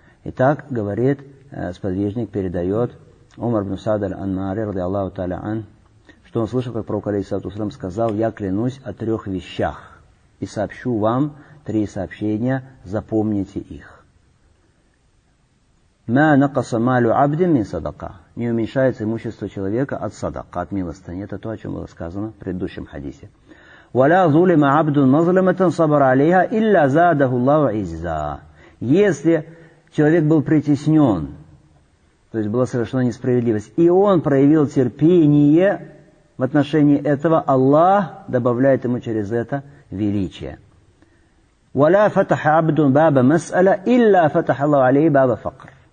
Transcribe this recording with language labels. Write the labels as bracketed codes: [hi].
[ru] Итак, говорит сподвижник, передает Умар бин Саад аль-Анмари [ar] رضي الله تعالى عنه, [ru] что он слышал, как пророк алейхиссалату вассалям сказал: я клянусь о трех вещах и сообщу вам три сообщения, запомните их. [ar] ما نقص مال عبد من صدقة. [ru] Не уменьшается имущество человека от садака, от милостыни. Это то, о чем было сказано в предыдущем хадисе. [ar] ولا ظلم عبد مظلمة صبر عليها إلا زاده الله عزا. [ru] Если человек был притеснен, то есть была совершена несправедливость, и он проявил терпение в отношении этого, Аллах добавляет ему через это величие. [ar] ولا فتح عبد باب مسألة إلا فتح الله عليه باب فقر.